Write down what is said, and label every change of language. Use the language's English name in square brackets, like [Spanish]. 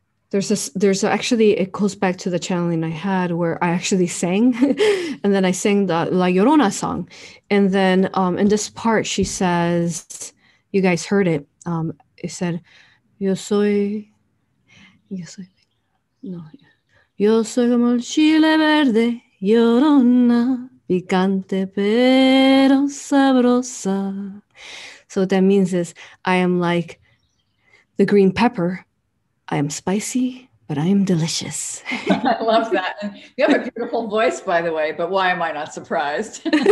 [English] There's actually, it goes back to the channeling I had where I actually sang and then I sang the La Llorona song. And then in this part, she says, you guys heard it. It said, [Spanish] Yo soy como el chile verde, Llorona, picante pero sabrosa. [English] So what that means is I am like the green pepper. I am spicy, but I am delicious. I love that. You have a beautiful voice, by the way, but why am I not surprised?